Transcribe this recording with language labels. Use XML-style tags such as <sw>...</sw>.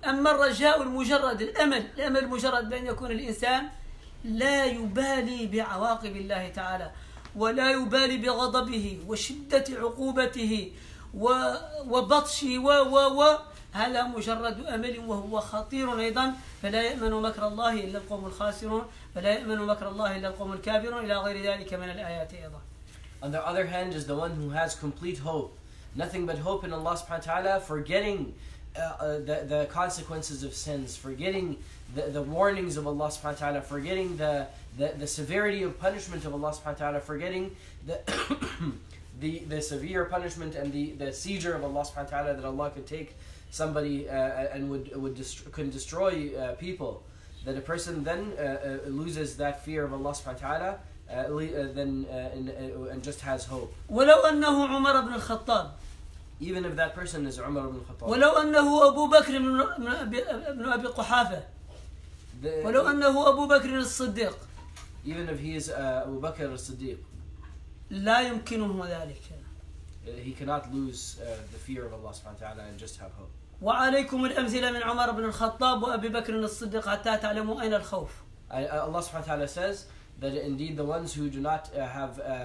<ar>أما الرجاء المجرد الأمل مجرد بأن يكون الإنسان لا يبالي بعواقب الله تعالى ولا يبالي بغضبه وشدة عقوبته وبطشه هذا مجرد أمل وهو خطير أيضا. فلا يأمن مكر الله إلا القوم الخاسرون. فلا يأمن مكر الله إلا القوم الكافرون. إلى غير ذلك من الآيات أيضا.</ar> <en>On the other hand is the one who has complete hope, nothing but hope in Allah subhanahu wa ta'ala, forgetting the consequences of sins, forgetting the warnings of Allah subhanahu wa ta'ala, forgetting the severity of punishment of Allah subhanahu wa ta'ala, forgetting the severe punishment and the seizure of Allah subhanahu wa ta'ala, that Allah could take somebody and could destroy people, that a person then loses that fear of Allah subhanahu wa ta'ala, and just has hope.</en> <ar>ولو أنه عمر بن الخطاب.</ar> <en>Even if that person is Umar ibn Khattab.</en> <ar>ولو أنه أبو بكر ابن أبي قحافة. ولو أنه أبو بكر الصديق.</ar> <en>Even if he is Abu Bakr al-Siddiq.</en> <ar>لا يمكنه ذلك.</ar> <en>He cannot lose the fear of Allah subhanahu wa ta'ala and just have hope.</en> <ar>وعليكم الأمثلة من عمر بن الخطاب وأبي بكر الصديق حتى تعلموا أين الخوف.</ar> <en>Allah subhanahu wa ta'ala says that indeed the ones who do not have</en>